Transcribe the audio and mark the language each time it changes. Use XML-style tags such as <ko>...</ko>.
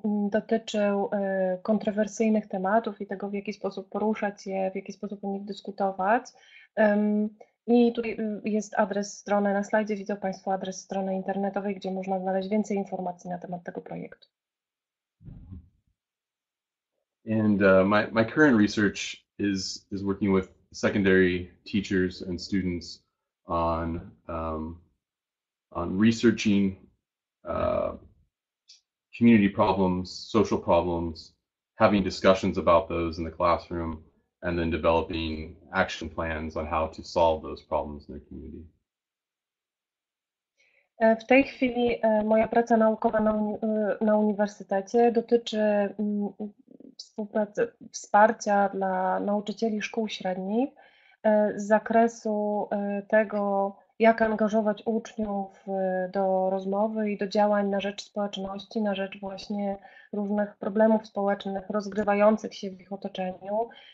<pl>Dotyczył kontrowersyjnych tematów i tego, w jaki sposób poruszać je, w jaki sposób o nich dyskutować. I tutaj jest adres strony, na slajdzie widzą Państwo adres strony internetowej, gdzie można znaleźć więcej informacji na temat tego projektu.</pl> <en>And my current research is working with secondary teachers and students on researching community problems, social problems, having discussions about those in the classroom, and then developing action plans on how to solve those problems in their community.</en> <pl>W tej chwili moja praca naukowa na uniwersytecie dotyczy współpracy, wsparcia dla nauczycieli szkół średnich z zakresu tego, jak angażować uczniów do rozmowy i do działań na rzecz społeczności, na rzecz właśnie różnych problemów społecznych rozgrywających się w ich otoczeniu.</pl>